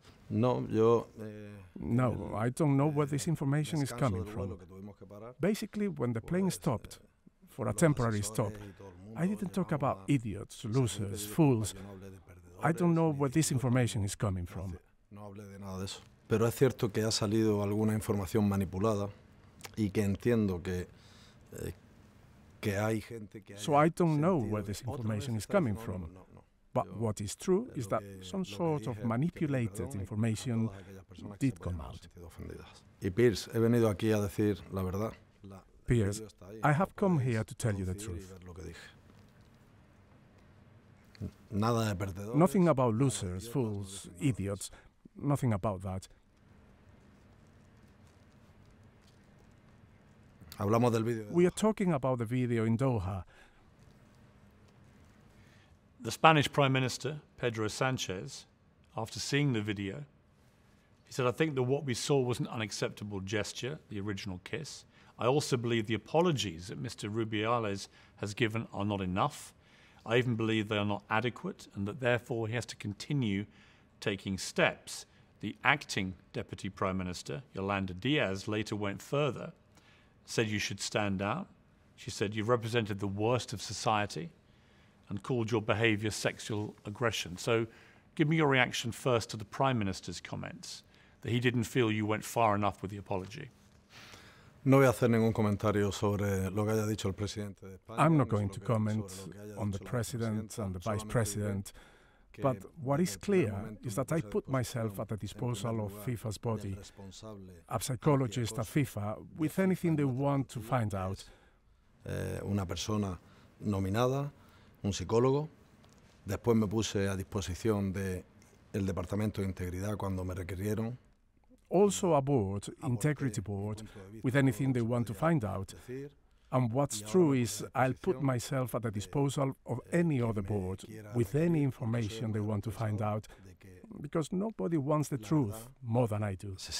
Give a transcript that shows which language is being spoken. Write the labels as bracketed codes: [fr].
[es] No, yo, [en] no, I don't know where this information is coming from. Basically, when the plane stopped, for a temporary stop, I didn't talk about idiots, losers, fools. I don't know where this information is coming from. [es] No hablé de nada de eso. Pero es cierto que ha salido alguna información manipulada y que entiendo que que hay gente que. [en] So I don't know where this information is coming from. But what is true is that some sort of manipulated information did come out. [es] Y Piers, he venido aquí a decir la verdad. [en] Piers, I have come here to tell you the truth. [es] Nada de perdedores. [en] Nothing about losers, fools, idiots. Nothing about that. [es] Hablamos del video. [en] We are talking about the video in Doha. The Spanish Prime Minister, Pedro Sanchez, after seeing the video, he said, I think that what we saw was an unacceptable gesture, the original kiss. I also believe the apologies that Mr. Rubiales has given are not enough. I even believe they are not adequate and that therefore he has to continue taking steps. The acting Deputy Prime Minister, Yolanda Diaz, later went further, said you should stand down. She said you've represented the worst of society and called your behavior sexual aggression. So give me your reaction first to the Prime Minister's comments that he didn't feel you went far enough with the apology. [es] No voy a hacer ningún comentario sobre lo que haya dicho el presidente de España. [en] I'm not going to comment on the president and the vice president, but what is clear is that I put myself at the disposal of FIFA's body, a psychologist at FIFA, with anything they want to find out. [es] Una persona nominada, un psicólogo. Después me puse a disposición del Departamento de Integridad cuando me requirieron. [en] Also a board, integrity board, with anything they want to find out. And what's true is I'll put myself at the disposal of any other board with any information they want to find out, because nobody wants the truth more than I do.